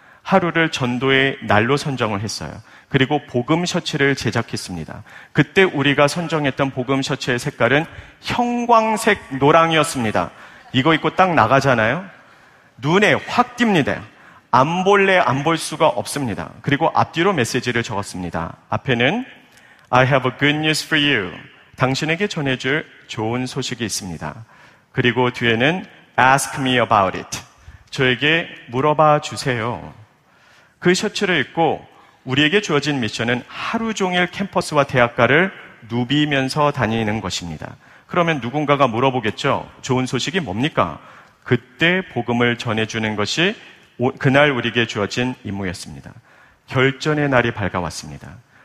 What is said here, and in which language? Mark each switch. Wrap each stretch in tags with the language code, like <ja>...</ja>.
<ko>하루를 전도의 날로 선정을 했어요. 그리고 복음 셔츠를 제작했습니다. 그때 우리가 선정했던 복음 셔츠의 색깔은 형광색 노랑이었습니다. 이거 입고 딱 나가잖아요. 눈에 확 띕니다. 안 볼래 안 볼 수가 없습니다. 그리고 앞뒤로 메시지를 적었습니다. 앞에는</ko> <en>I have a good news for you.</en> <ko>당신에게 전해줄 좋은 소식이 있습니다. 그리고 뒤에는</ko> <en>Ask me about it.</en> <ko>저에게 물어봐 주세요. 그 셔츠를 입고 우리에게 주어진 미션은 하루 종일 캠퍼스와 대학가를 누비면서 다니는 것입니다. 그러면 누군가가 물어보겠죠. 좋은 소식이 뭡니까? 그때 복음을 전해주는 것이 그날 우리에게 주어진 임무였습니다. 결전의 날이 밝아왔습니다.</ko>